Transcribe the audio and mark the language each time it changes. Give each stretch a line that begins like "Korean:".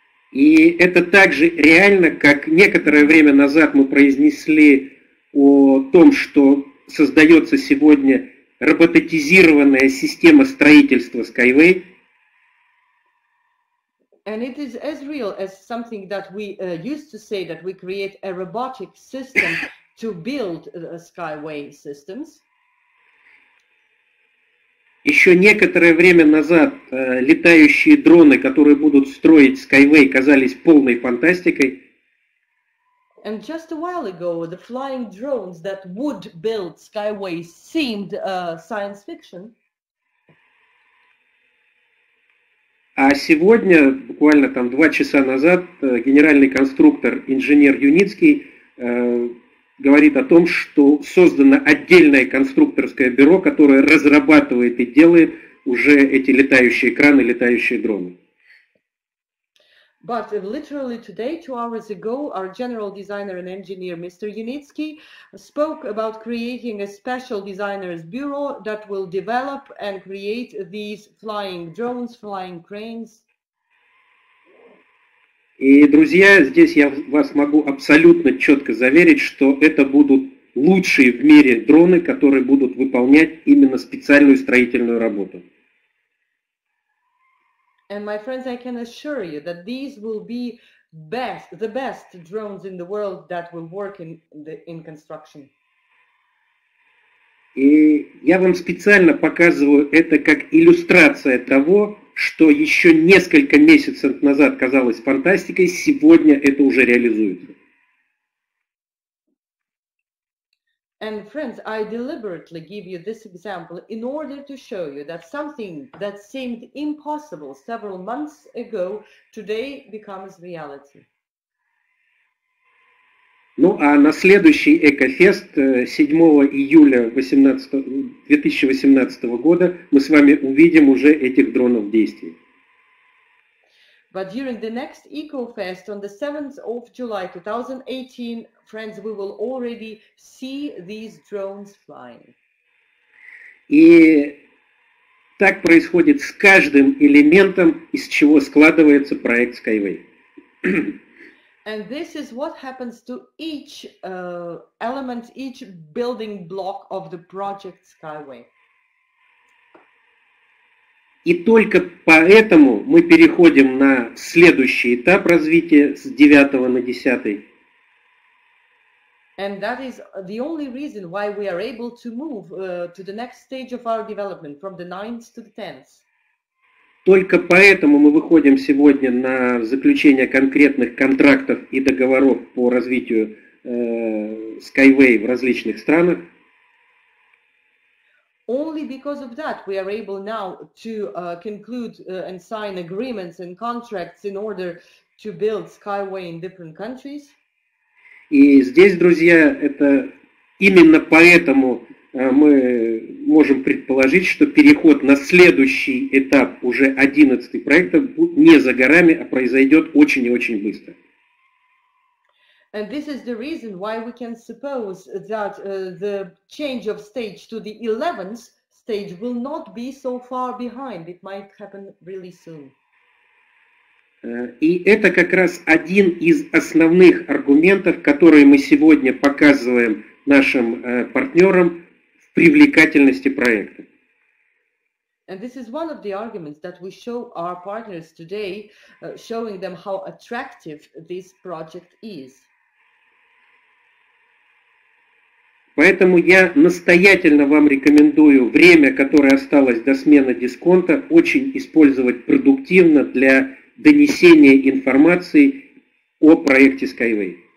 Russian: И это также реально, как некоторое время назад мы произнесли о том, что создается сегодня роботизированная система строительства Skyway.
English: And it is as real as something that we used to say, that we create a robotic system to build Skyway systems.
Russian: Еще некоторое время назад летающие дроны, которые будут строить Skyway, казались полной фантастикой.
English: And just a while ago, the flying drones that would build Skyway seemed science fiction.
Russian: А сегодня, буквально там два часа назад, генеральный конструктор, инженер Юницкий, говорит о том, что создано отдельное конструкторское бюро, которое разрабатывает и делает уже эти летающие краны, летающие дроны.
English: But literally today, 2 hours ago, our general designer and engineer, Mr. Yunitsky, spoke about creating a special designer's bureau that will develop and create these flying drones, flying cranes.
Russian: И, друзья, здесь я вас могу абсолютно четко заверить, что это будут лучшие в мире дроны, которые будут выполнять именно специальную строительную работу.
English: And my friends, I can assure you that these will be best, the best drones in the world that will work in construction.
Russian: И я вам специально показываю это как иллюстрация того, что еще несколько месяцев назад казалось фантастикой, сегодня это уже реализуется.
English: And friends, I deliberately give you this example in order to show you that something that seemed impossible several months ago today becomes reality.
Russian: Ну а на следующий Экофест 7 июля 2018 года мы с вами увидим уже этих дронов в действии.
English: But during the next EcoFest on the 7th of July 2018, friends, we will already see these drones flying.
Russian: И так происходит с каждым элементом, из чего складывается проект Skyway.
English: And this is what happens to each element, each building block of the project Skyway.
Russian: И только поэтому мы переходим на следующий этап развития с 9 на 10.
English: And that is the only reason why we are able to move to the next stage of our development, from the 9th to the 10th.
Russian: Только поэтому мы выходим сегодня на заключение конкретных контрактов и договоров по развитию Skyway в различных странах.
English: Only because of that we are able now to conclude and sign agreements and contracts in order to build Skyway in different countries.
Russian: И здесь, друзья, это именно поэтому мы можем предположить, что переход на следующий этап, уже 11-й проект, не за горами, а произойдет очень и очень быстро.
English: And this is the reason why we can suppose that the change of stage to the 11th stage will not be so far behind. It might happen really soon.
Russian: И это как раз один из основных аргументов, которые мы сегодня показываем нашим партнерам в привлекательности проекта.
English: And this is one of the arguments that we show our partners today, showing them how attractive this project is.
Russian: Поэтому я настоятельно вам рекомендую время, которое осталось до смены дисконта, очень использовать продуктивно для донесения информации о проекте Skyway.